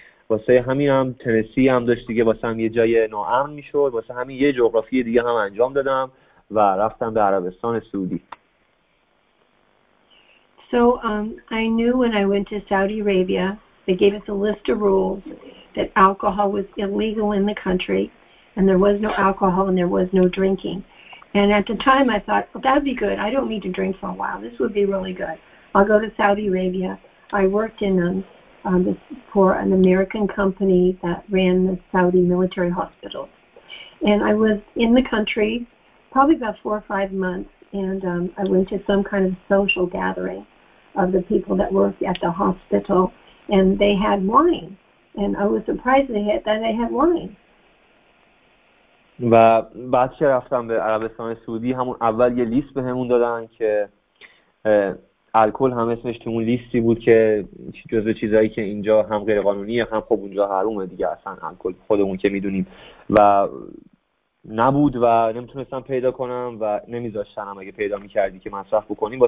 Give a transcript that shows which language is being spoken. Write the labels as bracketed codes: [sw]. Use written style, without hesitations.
[fa] واسه همین هم تنسی هم داشت دیگه واسه هم یه جای ناامن میشد، واسه همین یه جغرافی دیگه هم انجام دادم و رفتم به عربستان سعودی. [en] So I knew when I went to Saudi Arabia, they gave us a list of rules that alcohol was illegal in the country, and there was no alcohol and there was no drinking. And at the time I thought, well, that'd be good. I don't need to drink for a while. This would be really good. I'll go to Saudi Arabia. I worked in for an American company that ran the Saudi military hospital. And I was in the country probably about 4 or 5 months, and I went to some kind of social gathering of the people that worked at the hospital, and they had wine. And I was surprised that they had wine. [fa] و بعد که رفتم به عربستان سعودی، همون اول یه لیست به همون دادن که الکل هم اسمش تو اون لیستی بود که جزو چیزایی که اینجا هم غیر قانونیه، هم خب اونجا حرومه دیگه، اصلا الکل خودمون که میدونیم، و نبود و نمیتونستم پیدا کنم و نمیذاشتنم اگه پیدا میکردی که مصرف بکنیم.